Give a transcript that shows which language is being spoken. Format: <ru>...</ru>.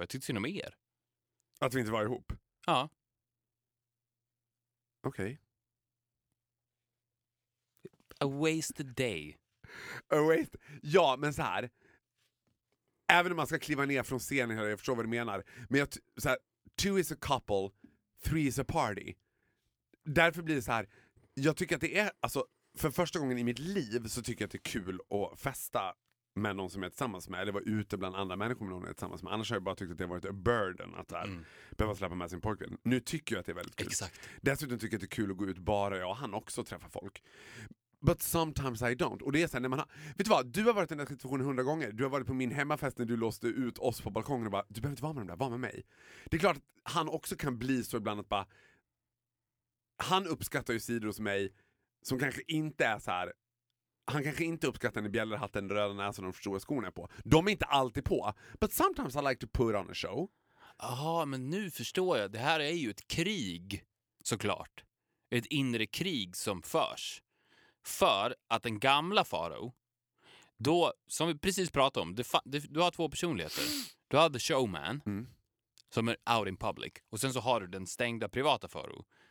<sv>Jag tyckte synd om er. Att vi inte var ihop? Ja. Okej.</sv> <en>Okay. A wasted day.</en> <sv>Ja, men så här. Även om man ska kliva ner från scenen här, jag förstår vad du menar. Men jag, så här,</sv> <en>two is a couple, three is a party.</en> <sv>Därför blir det så här. Jag tycker att det är, alltså, för första gången i mitt liv så tycker jag att det är kul att festa med någon som är tillsammans med. Eller vara ute bland andra människor med någon är tillsammans med. Annars har jag bara tyckt att det har varit</sv> <en>a burden</en> <sv>att här, behöva släppa med sin pojkvän. Nu tycker jag att det är väldigt kul. Exakt. Dessutom tycker jag att det är kul att gå ut bara jag och han också och träffa folk.</sv> <en>But sometimes I don't.</en> <sv>Och det är så här, när man har, vet du vad, du har varit i den här situationen 100 gånger. Du har varit på min hemmafest när du låste ut oss på balkongen och bara, du behöver inte vara med dem där, var med mig. Det är klart att han också kan bli så ibland att bara, han uppskattar ju sidor hos mig som kanske inte är så här. Han kanske inte uppskattar när bjällerhatten, röda näsan och de stora skorna är på. De är inte alltid på.</sv> <en>But sometimes I like to put on a show.</en> <sv>Jaha, men nu förstår jag. Det här är ju ett krig, såklart. Ett inre krig som förs. För att den gamla faro, då, som vi precis pratade om, du har två personligheter. Du har the showman, som är</sv> <en>out in public.</en> <sv>Och sen så har du den stängda privata faro.</sv>